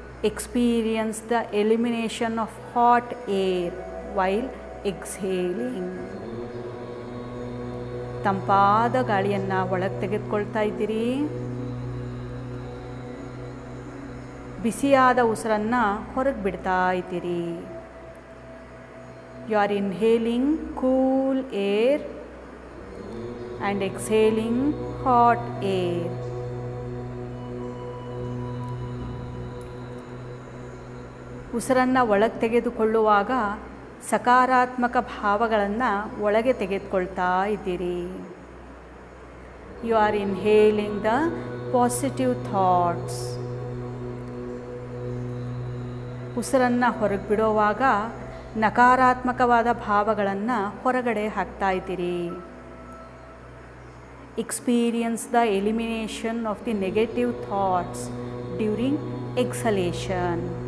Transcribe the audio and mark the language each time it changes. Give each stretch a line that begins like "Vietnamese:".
English: Experience the elimination of hot air while exhaling.
Kannada: ತಂಪಾದ ಗಾಳಿಯನ್ನು ಒಳಗೆ ತೆಗೆದುಕೊಳ್ತಾ ಇದ್ದೀರಿ, ಬಿಸಿಯಾದ ಉಸಿರನ್ನು ಹೊರಗೆ ಬಿಡ್ತಾ ಇದ್ದೀರಿ.
English: You are inhaling cool air and exhaling hot air.
Kannada: ಉಸಿರನ್ನು ಒಳಗೆ ತೆಗೆದುಕೊಳ್ಳುವಾಗ ಸಕಾರಾತ್ಮಕ ಭಾವಗಳನ್ನು ಒಳಗೆ ತೆಗೆದುಕೊಳ್ತಾ ಇದ್ದೀರಿ.
English: You are inhaling the positive thoughts.
Kannada: ಉಸಿರನ್ನು ಹೊರಗೆ ಬಿಡುವಾಗ ನಕಾರಾತ್ಮಕವಾದ ಭಾವಗಳನ್ನು ಹೊರಗಡೆ ಹಾಕ್ತಾ ಇದ್ದೀರಿ.
English: Experience the elimination of the negative thoughts during exhalation.